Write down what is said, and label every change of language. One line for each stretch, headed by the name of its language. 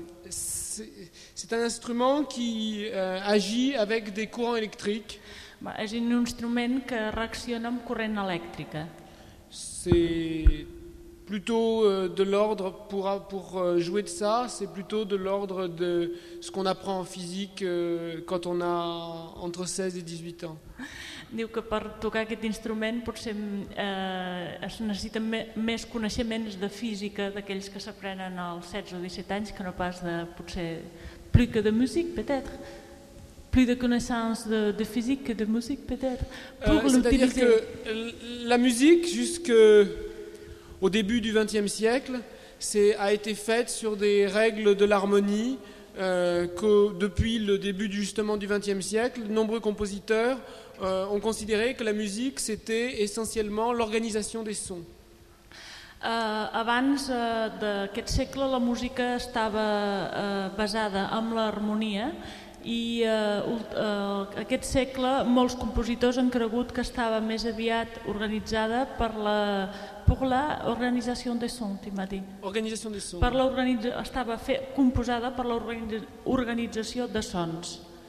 French: C'est un instrument qui agit avec des courants électriques.
Catalan: És un instrument que reacciona amb corrent elèctrica.
French: C'est plutôt de l'ordre pour jouer de ça, c'est plutôt de l'ordre de ce qu'on apprend en physique quand on a entre 16 et 18 ans.
Catalan: Diu que per tocar aquest instrument potser es necessiten més coneixements de física d'aquells que s'aprenen als 16 o 17 anys que no pas de potser
French: plus que de musique peut-être. Plus de connaissances de physique que de musique peut-être. C'est-à-dire que la musique jusque au début du XXe siècle, a été faite sur des règles de l'harmonie que, depuis le début justement du XXe siècle, nombreux compositeurs ont considéré que la musique, c'était essentiellement l'organisation des sons.
Catalan: Abans d'aquest segle, la música estava basada en l'harmonia i aquest segle molts compositors han cregut que estava més aviat organitzada per la...
French: Pour l'organisation des sons, tu m'as dit. Organisation des sons.
Catalan: Per estava composada per l'organització de sons.